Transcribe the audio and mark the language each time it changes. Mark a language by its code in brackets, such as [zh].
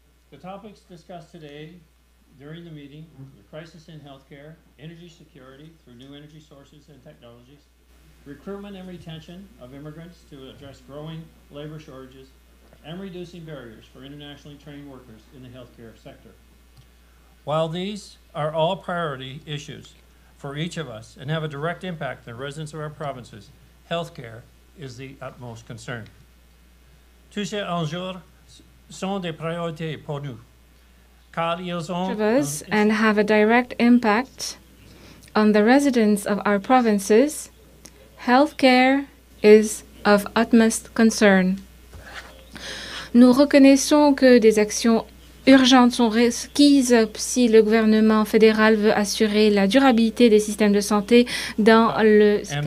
[en] The topics discussed today during the meeting, the crisis in healthcare, energy security through new energy sources and technologies, recruitment and retention of immigrants to address growing labor shortages, and reducing barriers for internationally trained workers in the healthcare sector. While these are all priority issues for each of us and have a direct impact on the residents of our provinces, healthcare is the utmost concern. [fr] Tous ces enjeux sont des priorités pour nous. [en] And have a direct impact on the residents of our provinces, healthcare is of utmost concern. [fr] Nous reconnaissons que des actions urgentes sont requises si le gouvernement fédéral veut assurer la durabilité des systèmes de santé dans le